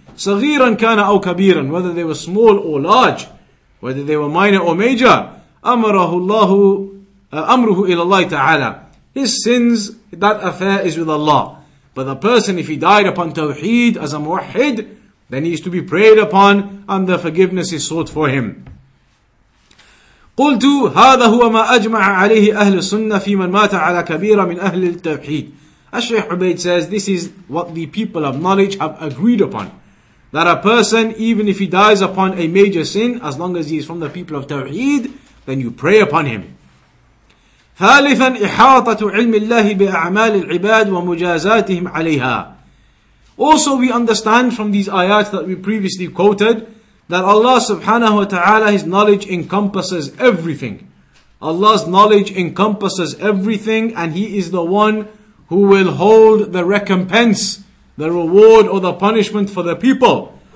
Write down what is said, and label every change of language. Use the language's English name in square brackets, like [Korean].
[Arabic] صغيراً كان أو كبيراً, [English] whether they were small or large, whether they were minor or major, [Arabic] أمره الله أمره إلى الله تعالى. [English] His sins, that affair is with Allah. But the person, if he died upon Tawheed as a muwahid, then he is to be prayed upon and the forgiveness is sought for him. [Arabic] قلت هذا هو ما أجمع عليه أهل السنة في من مات على كبيرة من أهل التوحيد. [English] Shaykh Ubayd says, this is what the people of knowledge have agreed upon. That a person, even if he dies upon a major sin, as long as he is from the people of Tawheed, then you pray upon him. [Arabic] ثالثاً إحاطة علم الله بأعمال العباد ومجازاتهم عليها. [English] Also we understand from these ayats that we previously quoted, that Allah subhanahu wa ta'ala, his knowledge encompasses everything. Allah's knowledge encompasses everything, and he is the one who will hold the recompense, the reward or the punishment for the people.